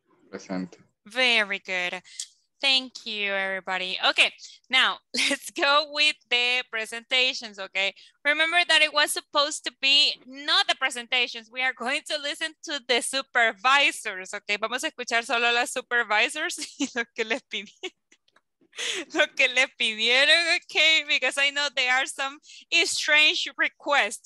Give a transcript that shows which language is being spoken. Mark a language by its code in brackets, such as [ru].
[es] Presente. [en] Very good. Thank you, everybody. Okay, now let's go with the presentations, okay? Remember that it was supposed to be not the presentations. We are going to listen to the supervisors, okay? [es] Vamos a escuchar solo a las supervisors y lo que les pidieron. Lo que les pidieron, okay? [en] Because I know there are some strange requests.